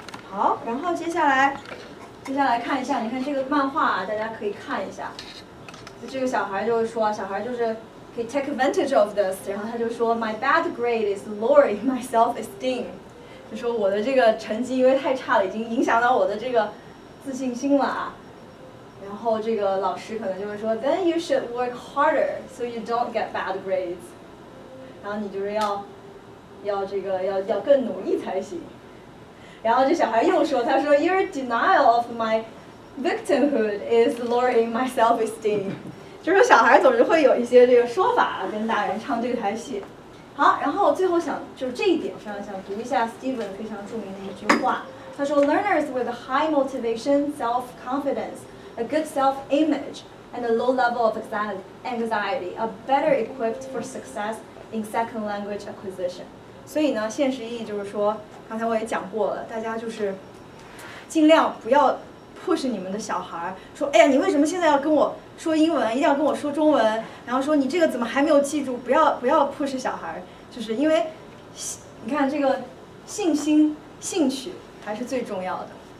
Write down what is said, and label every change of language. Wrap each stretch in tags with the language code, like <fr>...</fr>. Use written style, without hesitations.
<zh>好，然后接下来看一下，你看这个漫画啊，大家可以看一下，就这个小孩就是说，小孩就是可以</zh> <en>take advantage of this，</en> <zh>然后他就说</zh> <en>my bad grade is lowering my self esteem，</en> <zh>就说我的这个成绩因为太差了，已经影响到我的这个自信心了啊。然后这个老师可能就会说</zh> <en>then you should work harder so you don't get bad grades，</en> <zh>然后你就是要更努力才行。然后这小孩又说，他说</zh> <en>Your denial of my victimhood is lowering my self-esteem。</en> <zh>就是小孩总是会有一些这个说法跟大人唱这台戏。好，然后我最后想就是这一点上想读一下 Steven 非常著名的一句话，他说</zh> <en>Learners with a high motivation, self-confidence, a good self-image, and a low level of anxiety are better equipped for successin second language acquisition。</en> <zh>所以呢，现实意义就是说，刚才我也讲过了，大家就是尽量不要 push 你们的小孩说，哎呀，你为什么现在要跟我说英文，一定要跟我说中文，然后说你这个怎么还没有记住，不要 push 小孩，就是因为你看这个信心兴趣还是最重要的。</zh>